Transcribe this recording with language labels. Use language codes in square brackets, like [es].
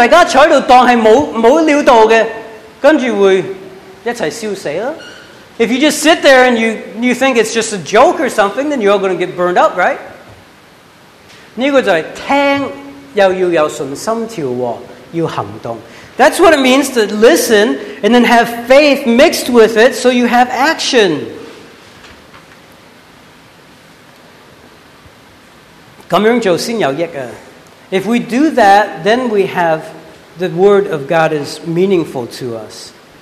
[zh] 你想想,讲火烛,但是大家坐在这里当是没有料到的, 跟着会一起烧死啊。 [en] If you just sit there and you think it's just a joke or something, then you're all going to get burned up, right? [zh] 这个就是听,又要有信心调和,要行动。 [en] That's what it means to listen and then have faith mixed with it so you have action. [zh] 这样就先有益啊。 [en] If we do that, then we have the word of God is meaningful to us.